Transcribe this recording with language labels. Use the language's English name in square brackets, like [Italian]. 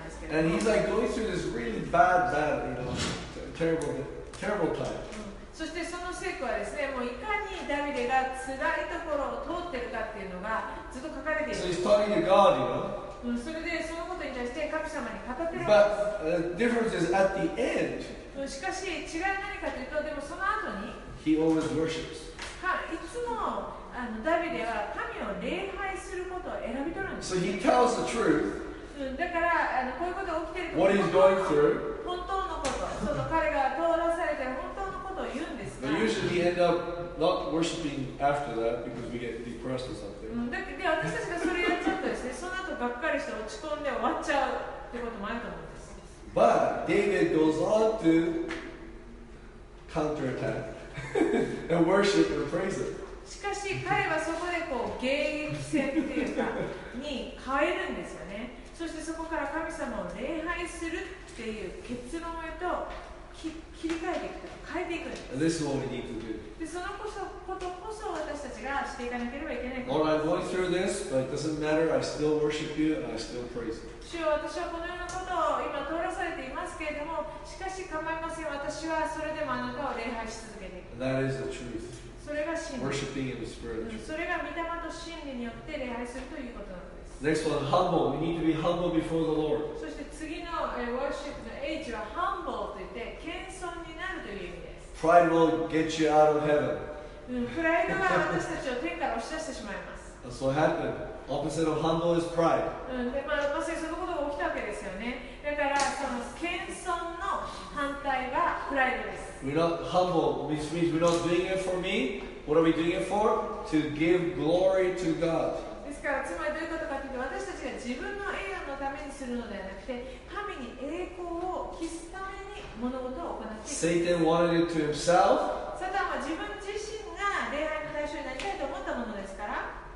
[English] And he's like going through this really bad, bad, you know, terrible time. [Japanese] そしてその聖句はですね、もういかにダビデが辛いところを通ってるかっていうのがずっと書かれている。 [English] So he's talking to God, you know. [Japanese] それでそのことに対して神様に語ってる。 [English] But the difference is at the end. [Japanese] しかし違い何かというと、でもその後に。 [English] He always worships. [Japanese] いつも。ダビデは神を礼拝することを選び取るんです。 [English] So he tells the truth. [Japanese] だからこういうことが起きていること。 [English] What he's going through. [Japanese] 本当のこと。その彼が通らされて本当のことを言うんですが。 [English] But usually he ends up not worshiping after that because we get depressed or something. [Japanese] で、私たちがそれやっちゃうとですね、その後がっかりして落ち込んで終わっちゃうってこともあると思うんです。 [English] But David goes on to counterattack and worship and praise him. [Japanese] しかし彼はそこでこう迎撃戦っていうかに変えるんですよね。そしてそこから神様を礼拝するっていう結論へと切り替えていくと変えていくんです。 [English] This is what we need to do. [Japanese] でそのことこそ私たちがしていかなければいけない。 [English] Lord, I'm going through this, but it doesn't matter. I still worship you and I still praise you. [Japanese] 主よ、私はこのようなことを今通らされていますけれども、しかし構いません。私はそれでもあなたを礼拝し続けていく。 [English] That is the truth. [Japanese] それが真理。 [English] Worshiping in the Spirit. [Japanese] それが御霊と真理によって礼拝するということなんです。 [English] Next one, humble. We need to be humble before the Lord. [Japanese] そして次の worship の H は humble といって謙遜になるという意味です。 [English] Pride will get you out of heaven. [Japanese] プライドが私たちを天から押し出してしまいます。 [English] That's what happened. Opposite of humble is pride. [Japanese] で、まさにそのことが起きたわけですよね。だからその謙遜の反対はプライドです。 [English] We're not humble, which means we're not doing it for me. What are we doing it for? To give glory to God. [Japanese] ですから、つまりどういうことかというと、私たちが自分の栄誉のためにするのではなくて、神に栄光を期すために物事を行っていく。 [English] Satan wanted it to himself. [Japanese] サタンは自分自身が礼拝の対象になりたいと思ったものですから。